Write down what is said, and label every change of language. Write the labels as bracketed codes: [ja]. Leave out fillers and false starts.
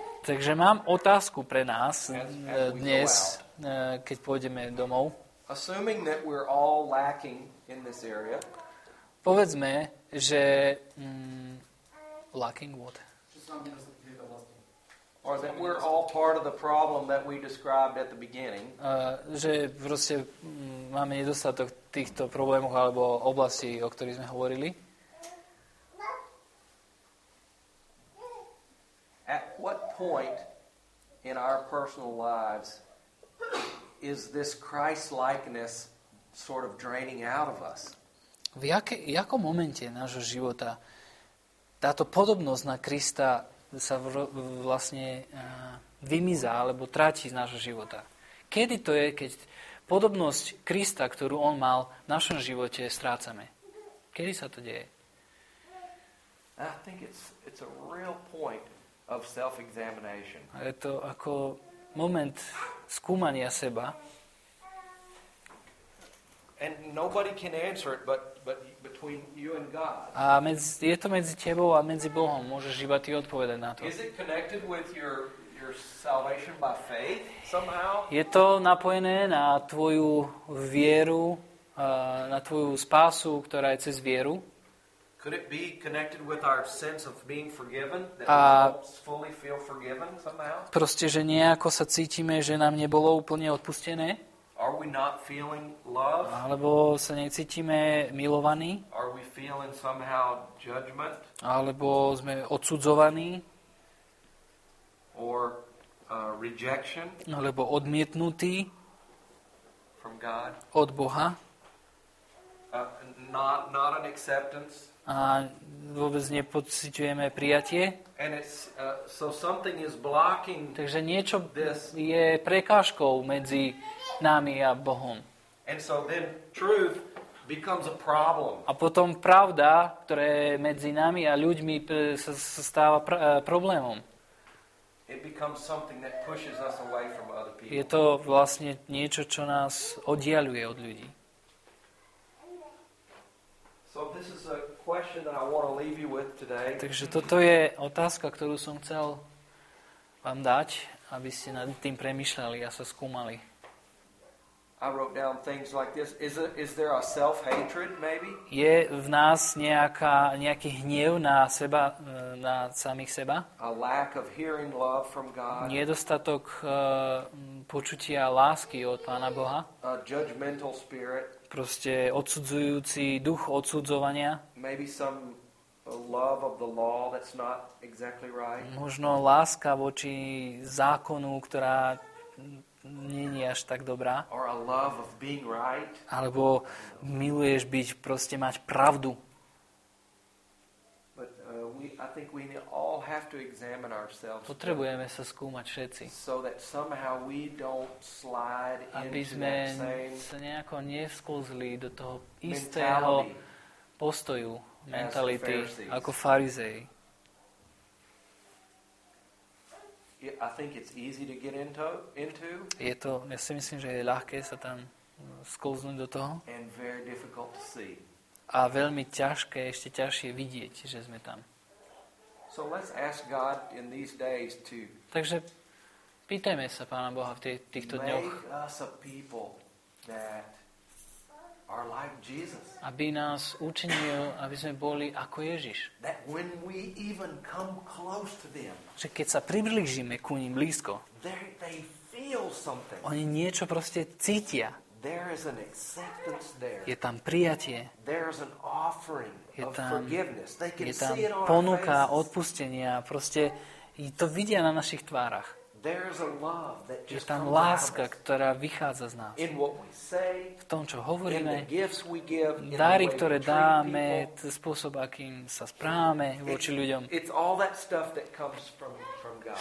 [sk] Takže mám otázku pre nás dnes, keď pôjdeme domov. [en] Assuming that we're all lacking in this area. [sk] Povedzme, že [en] lacking what? Or that we're all part of the problem that we described at the beginning. [sk] Že proste máme nedostatok týchto problémov alebo oblasti, o ktorých sme hovorili. [en] At what point in our personal lives is this Christ-likeness sort of draining out of us? [sk] V jakom momente nášho života táto podobnosť na Krista sa vlastne vymizá alebo tráti z nášho života? Kedy to je, keď podobnosť Krista, ktorú on mal, v našom živote strácame? Kedy sa to deje? [en] I think it's a real point of self-examination. [sk] Je to ako moment skúmania seba. [en] And nobody can answer it but between you and God. [sk] A je to medzi tebou a medzi Bohom, môžeš iba ty odpovedať na to. [en] Is it connected with your salvation by faith somehow? [sk] Je to napojené na tvoju vieru, na tvoju spásu, ktorá je cez vieru? [en] Could it be connected with our sense of being forgiven, that we fully feel forgiven somehow? [sk] Proste, že nejako sa cítime, že nám nebolo úplne odpustené? [en] Are we not feeling love? [sk] Alebo sa necítime milovaní? [en] Are we feeling somehow judgment? [sk] Alebo sme odsudzovaní? [en] Or rejection? [sk] Alebo odmietnutí? [en] From God? [sk] Od Boha? [en] Not an acceptance. [sk] A vôbec nepociťujeme prijatie. [en] And it's, so something is blocking. [sk] Takže niečo [en] this [sk] je prekážkou medzi nami a Bohom. [en] And so then truth becomes a problem. [sk] A potom pravda, ktorá je medzi nami a ľuďmi, sa stáva problémom. [en] It becomes something that pushes us away from other people. [sk] Je to vlastne niečo, čo nás oddialuje od ľudí. [en] So this is a question that I want to leave you with today. [sk] Takže toto je otázka, ktorú som chcel vám dať, aby ste nad tým premýšľali a sa skúmali. [en] I wrote down things like this. Is there a self-hatred maybe? [sk] Je v nás nejaký hnev na seba, na samých seba? [en] A lack of hearing love from God. [sk] Nedostatok počutia lásky od Pána Boha. [en] A judgmental spirit. [sk] Proste odsudzujúci duch odsudzovania. [en] Maybe some love of the law that's not exactly right. [sk] Možno láska voči zákonu, ktorá nie je až tak dobrá. [en] Or a love of being right. [sk] Alebo miluješ byť, proste mať pravdu. [en] But I think we all have to examine ourselves. [sk] Potrebujeme sa skúmať všetci. [en] So that somehow we don't slide into [sk] aby sme sa nejako neskúzli do toho istého postoju, mentality, ako farizej. [en] I think it's easy to get into. [sk] Je to, ja si myslím, že je ľahké sa tam skúznúť do toho. [en] And very difficult to see. [sk] A veľmi ťažké, ešte ťažšie vidieť, že sme tam. [en] So let's ask God in these days to. [sk] Takže pýtajme sa Pána Boha v týchto dňoch. [en] Make us a people that are like Jesus. [sk] Aby nás učinil, aby sme boli ako Ježiš. [en] That when we even come close to them. [sk] Že keď sa priblížime ku ním blízko. [en] They feel something. [sk] Oni niečo proste cítia. [en] There is an acceptance there. [sk] Je tam prijatie. [en] There is an offering of forgiveness. They can see it on our faces. [sk] Je tam ponuka odpustenia. Proste to vidia na našich tvárach. [en] There is a love that [sk] je tam láska, ktorá vychádza z nás. [en] In what we say, [sk] v tom, čo hovoríme, [en] in the gifts we give, [sk] dary, ktoré dáme, spôsob, akým sa správame voči ľuďom. [en] It's all that stuff that comes from God.